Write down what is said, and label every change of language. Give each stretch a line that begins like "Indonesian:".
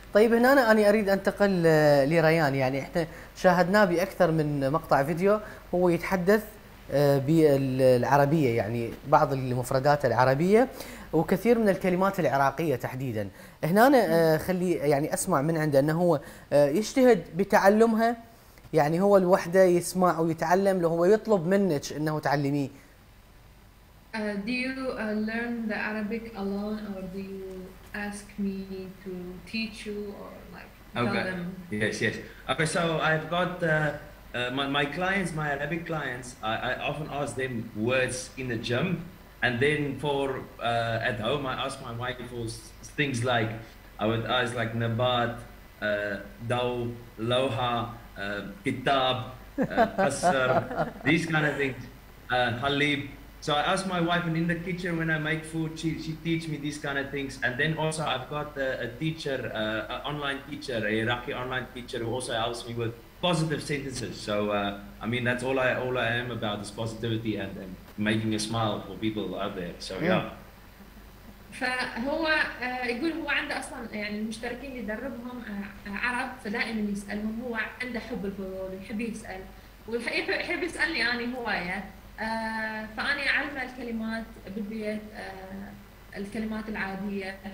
Arabic: طيب هنا انا اريد انتقل لريان. يعني احنا شاهدناه باكثر من مقطع فيديو هو يتحدث بالعربية، يعني بعض المفردات العربية وكثير من الكلمات العراقية تحديدا. هنا خلي يعني أسمع من عنده أنه هو يجتهد بتعلمها، يعني هو الوحدة يسمع ويتعلم له، هو يطلب منك أنه تعلميه.
English: Do you learn the Arabic alone or do you ask me to teach you or like tell them? Okay. Yes. Okay. So I've got my clients, my Arabic clients, I often ask them words in the gym, and then for at home I ask my wife for things like, I would ask like nabat, daw, loha, kitab, asr, these kind of things, halib. So I ask my wife, and in the kitchen when I make food, she teach me these kind of things. And then also I've got a Iraqi online teacher who also helps me with positive sentences. So I mean, that's all I am about is positivity and making a smile for people out there. So yeah.
Arabic: فهو يقول هو عنده أصلاً يعني المشتركين اللي يدربهم عرب، فدائماً يسألهم، هو عنده حب الفضول يحب يسأل ويحب يسألني أني هواية، فأني أعلم الكلمات بالبيت الكلمات العادية.